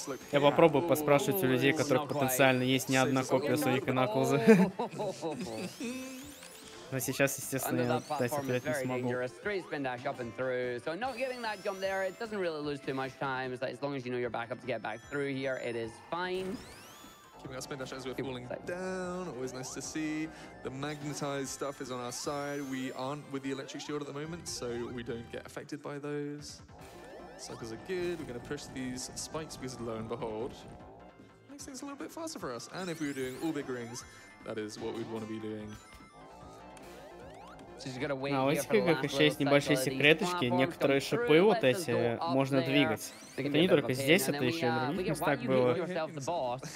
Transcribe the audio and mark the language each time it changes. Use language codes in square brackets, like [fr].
[ru] Я попробую поспрашивать у людей, которых потенциально есть не одна копия Sonic & Knuckles. Но сейчас, естественно, я дать ответ не смогу. [en] Keeping our spin dash as we're falling down. Always nice to see. The magnetized stuff is on our side. We aren't with the electric shield at the moment, so we don't get affected by those. Cycles are good. We're going to push these spikes because lo and behold, makes things a little bit faster for us. And if we were doing all big rings, that is what we'd want to be doing. [ru] А у этих игрок еще есть небольшие секреточки, некоторые шипы вот эти можно двигать. Это не только здесь, это еще и в других местах было.